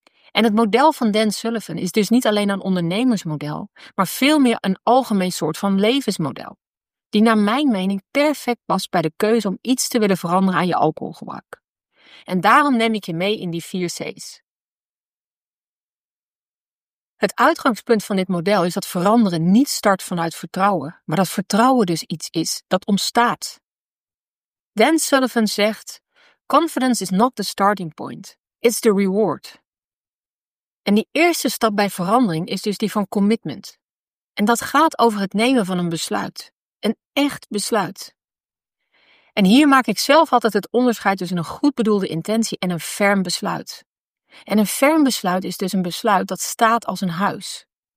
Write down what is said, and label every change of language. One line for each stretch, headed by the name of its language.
Dutch: En het model van Dan Sullivan is dus niet alleen een ondernemersmodel, maar veel meer een algemeen soort van levensmodel, die naar mijn mening perfect past bij de keuze om iets te willen veranderen aan je alcoholgebruik. En daarom neem ik je mee in die 4 C's. Het uitgangspunt van dit model is dat veranderen niet start vanuit vertrouwen, maar dat vertrouwen dus iets is dat ontstaat.
English: Dan Sullivan
Dutch: zegt,
English: "Confidence is not the starting point, it's the reward."
Dutch: En die eerste stap bij verandering is dus die van commitment. En dat gaat over het nemen van een besluit, een echt besluit. En hier maak ik zelf altijd het onderscheid tussen een goed bedoelde intentie en een ferm besluit. En een ferm besluit is dus een besluit dat staat als een huis.